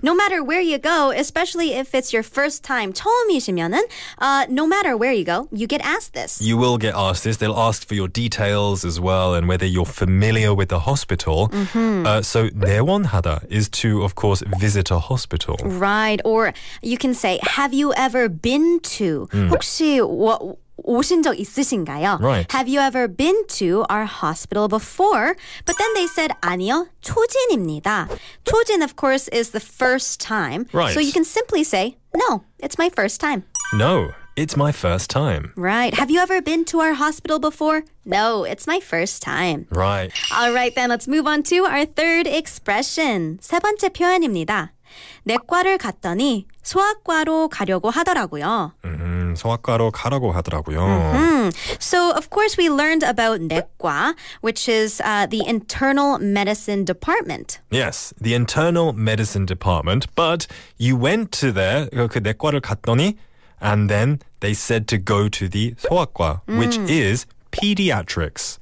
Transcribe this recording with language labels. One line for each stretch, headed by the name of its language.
English: No matter where you go, especially if it's your first time,
Korean: 처음이시면은,
English: no matter where you go, you get asked this. You will get asked this. They'll ask for your details as well and whether you're familiar with the hospital. Mm-hmm. So 내원하다 is to, of course, visit a hospital. Right. Or you can say, have you ever been to? Mm.
Korean: 혹시 오신 적 있으신가요?
English: Right. Have you ever been to our hospital before? But then they said,
Korean: 아니요, 초진입니다.
English: 초진, of course, is the first time. Right. So you can simply say, no, it's my first time. No, it's my first time. Right. Have you ever been to our hospital before? No, it's my first time. Right. All right, then let's move on to our third expression.
Korean: 세 번째 표현입니다. 내과를 갔더니 소아과로 가려고 하더라고요. 소아과로 가라고 하더라고요.
English: Mm-hmm. So, of course, we learned about 내과, which is the internal medicine department. Yes, the internal medicine department. But you went to there,
Korean: 그 내과를 갔더니,
English: and then they said to go to the 소아과, which is pediatrics.